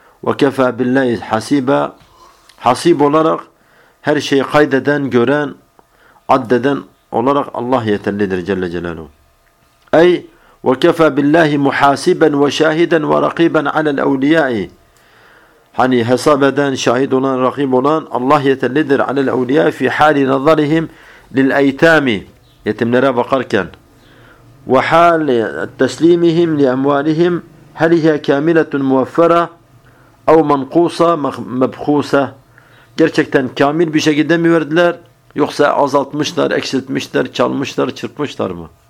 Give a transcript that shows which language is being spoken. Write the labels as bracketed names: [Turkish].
[Arabic] وَكَفَى بِاللّٰهِ حَس۪يبًا, [Turkish] hasib olarak her şeyi kaydeden, gören, addeden olarak Allah yeterlidir Celle Celaluhu. [Arabic] اَيْ وَكَفَى بِاللّٰهِ مُحَاسِبًا وَشَاهِدًا وَرَقِيبًا عَلَى الْاَوْلِيَاءِ, [Turkish] hani hesap eden, şahit olan, rakip olan Allah yeterlidir. [Arabic] عَلَى الْاَوْلِيَاءِ فِي حَالِ نَظَرِهِمْ لِلْاَيْتَامِ, [Turkish] yetimlere bakarken. [Arabic] وحال تسليمهم لأموالهم هل هي كاملة موفرة أو منقوصة مبخوصة؟ [Turkish] gerçekten kamil bir şekilde mi verdiler yoksa azaltmışlar, eksiltmişler, çalmışlar, çırpmışlar mı?